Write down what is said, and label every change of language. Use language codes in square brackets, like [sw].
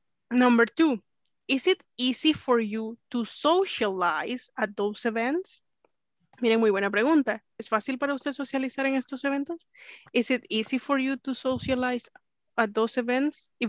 [en] Number two, is it easy for you to socialize at those events? [es] Miren, muy buena pregunta. ¿Es fácil para usted socializar en estos eventos? [en] Is it easy for you to socialize at those events?